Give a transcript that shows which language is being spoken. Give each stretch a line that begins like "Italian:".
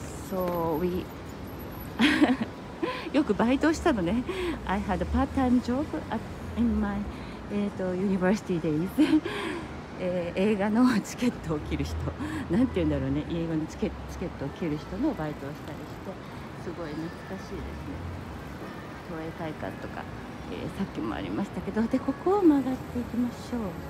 English: So we
Japanese: よくバイトしたのね。
English: I had a part-time job at, in my university days.
Japanese: 映画のチケットを切る人。なんて言うんだろうね。英語のチケットを切る人のバイトをしたりして、すごい懐かしいですね。東映会館とか、さっきもありましたけど。で、ここを曲がっていきましょう。